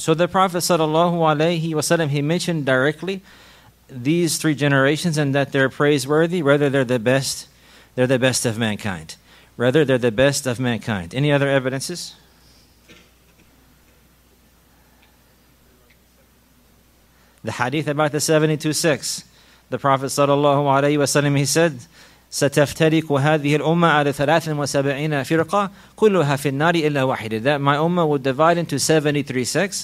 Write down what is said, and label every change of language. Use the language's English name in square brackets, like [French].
[English] So the Prophet sallallahu alayhi wa sallam, he mentioned directly these three generations, and that they're praiseworthy, whether they're the best, they're the best of mankind. Rather, they're the best of mankind. Any other evidences? The hadith about the 72 sects. The Prophet [Arabic] sallallahu alayhi wa sallam, [English] he said, [Arabic] سَتَفْتَرِكُ هَذِهِ الْأُمَّةِ عَلَى 73 فِرْقَةٍ كُلُّهَا فِي النَّارِ إِلَّا وَحِدٍ. [English] That my ummah will divide into 73 sects.